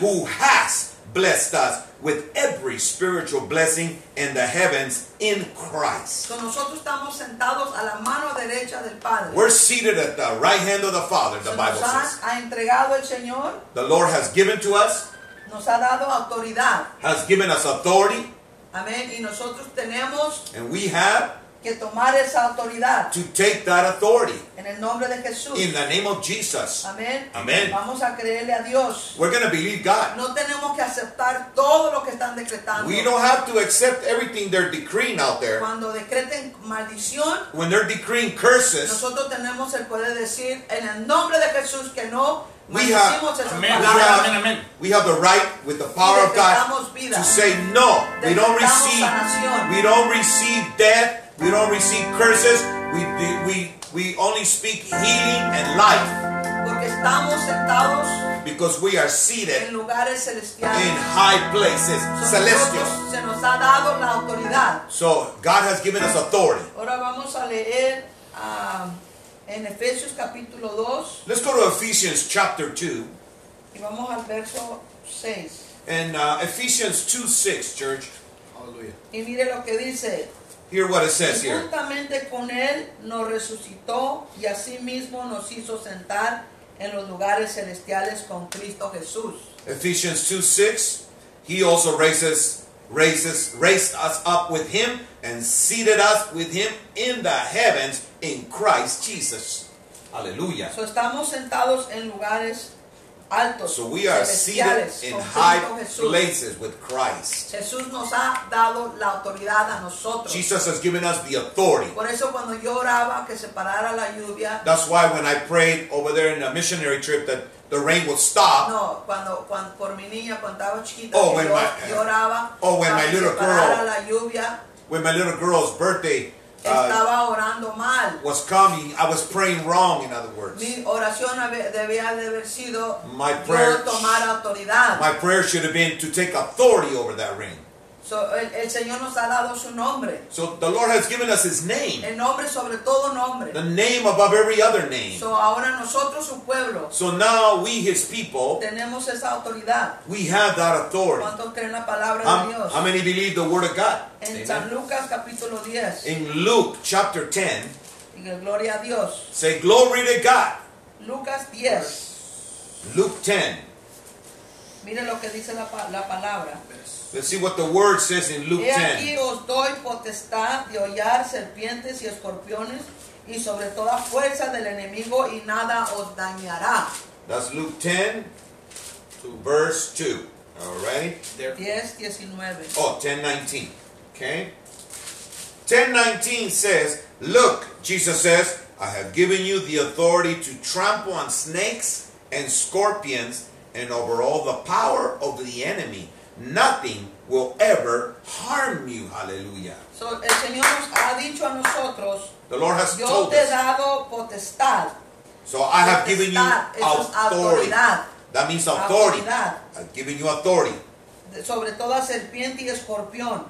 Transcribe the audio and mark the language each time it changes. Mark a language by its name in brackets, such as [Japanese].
[English] who has blessed us with every spiritual blessing in the heavens in Christ. [Spanish] So nosotros estamos sentados a la mano derecha del Padre. [English] We're seated at the right hand of the Father, the Bible says. [Spanish] Nos ha entregado el Señor. [English] The Lord has given to us. [Spanish] Nos ha dado autoridad. [English] Has given us authority. [Spanish] Amen. Y nosotros tenemos, [English] and we have, [Spanish] que tomar esa autoridad. [English] To take that authority. [Spanish] En el nombre de Jesús. [English] In the name of Jesus. Amen. Amen. [Spanish] Vamos a creerle a Dios. [English] We're going to believe God. [Spanish] No tenemos que aceptar todo lo que están decretando. [English] We don't have to accept everything they're decreeing out there. [Spanish] Cuando decreten maldición, [English] when they're decreeing curses, [Spanish] nosotros tenemos el poder de decir en el nombre de Jesús que no. [English] We have, we have the right with the power of God to say no. We don't receive, death. We don't receive curses. We only speak healing and life. Because we are seated in high places, celestial. So God has given us authority. [Spanish] Ahora vamos a leer. En Efesios capítulo 2. [English] Let's go to Ephesians chapter 2. [Spanish] Y vamos al verso 6. [English] And Ephesians 2:6, church. Hallelujah. [Spanish] Y mire lo que dice. [English] Hear what it says [Spanish] y [English] here. [Spanish] Juntamente con él nos resucitó y así mismo nos hizo sentar en los lugares celestiales con Cristo Jesús. [English] Ephesians 2:6. He also raised us up with him and seated us with him in the heavens in Christ Jesus. Hallelujah. [Spanish] So estamos sentados en lugares altos. [English] So we are seated in high places with Christ. [Spanish] Jesús nos ha dado la autoridad a nosotros. [English] Jesus has given us the authority. [Spanish] Por eso cuando yo oraba que se parara la lluvia. [English] That's why when I prayed over there in a missionary trip that the rain will stop. [Spanish] No, cuando por mi niña contaba chiquita, [English] oh, when [Spanish] yo oraba. [English] Oh, when my little girl. [Spanish] La lluvia, [English] when my little girl's birthday [Spanish] estaba orando mal. [English] Was coming, I was praying wrong, in other words. [Spanish] Mi oración debía de haber sido [English] my prayer, [Spanish] tomar autoridad. [English] My prayer should have been to take authority over that rain. [Spanish] So el Señor nos ha dado su nombre. [English] So the Lord has given us his name. [Spanish] El nombre sobre todo nombre. [English] The name above every other name. [Spanish] So ahora nosotros su pueblo. [English] So now we his people. [Spanish] Tenemos esa autoridad. [English] We have that authority. [Spanish] ¿Cuántos creen la palabra de Dios? [English] How many believe the word of God? [Spanish] En San Lucas capítulo 10. [English] In Luke chapter 10. [Spanish] Diga gloria a Dios. [English] Say glory to God. [Spanish] Lucas 10. [English] Luke 10. [Spanish] Mire lo que dice la palabra. [English] Let's see what the word says in Luke 10. [Spanish] He aquí os doy potestad de hollar serpientes y escorpiones y sobre toda fuerza del enemigo y nada os dañará. [English] That's Luke 10, to verse 2. All right. 10:19. Oh, 10:19. Okay. 10:19 says, look, Jesus says, I have given you the authority to trample on snakes and scorpions and over all the power of the enemy. Nothing will ever harm you. Hallelujah. [Spanish] So el Señor nos ha dicho a nosotros. [English] The Lord has [Spanish] yo [English] told [Spanish] te [English] us. [Spanish] He dado potestad. [English] So I have [Spanish] potestad, [English] given you authority. [Spanish] Autoridad. [English] That means authority. [Spanish] Autoridad. [English] I've given you authority. [Spanish] Sobre toda serpiente y escorpión.